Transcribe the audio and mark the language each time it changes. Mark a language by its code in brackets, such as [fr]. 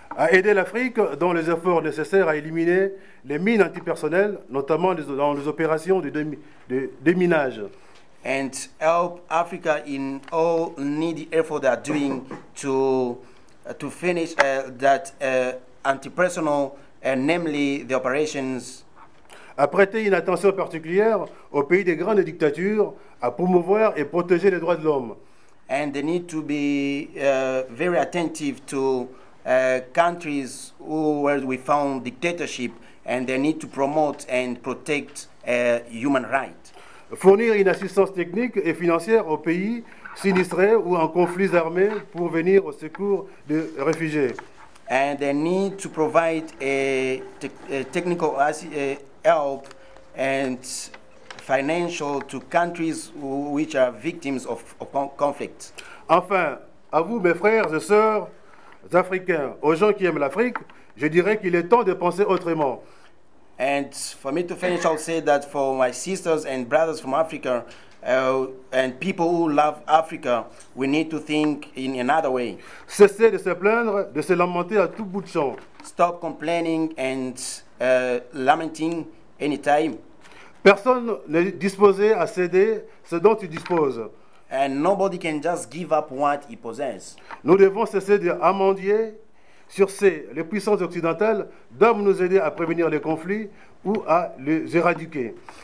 [fr] À aider l'Afrique dans les efforts nécessaires à éliminer les mines antipersonnelles, notamment dans les opérations de déminage. [en] And help Africa in all needy effort they're doing to finish that antipersonnel, namely the operations. [fr] À prêter une attention particulière aux pays des grandes dictatures, à promouvoir et protéger les droits de l'homme. [en] And they need to be very attentive to countries where we found dictatorship, and they need to promote and protect human rights. [fr] Fournir une assistance technique et financière aux pays sinistrés ou en conflits armés pour venir au secours des réfugiés. [en] And they need to provide a technical help and financial to countries which are victims of conflict. [fr] Enfin, à vous mes frères et sœurs africains, aux gens qui aiment l'Afrique, je dirais qu'il est temps de penser autrement. [en] And for me to finish, I'll say that for my sisters and brothers from Africa and people who love Africa, we need to think in another way. [fr] Cessez de se plaindre, de se lamenter à tout bout de champ. [en] Stop complaining and lamenting anytime. [fr] Personne n'est disposé à céder ce dont il dispose. [en] And nobody can just give up what he possesses. [fr] Nous devons cesser de amendier sur ces. Les puissances occidentales doivent nous aider à prévenir les conflits ou à les éradiquer.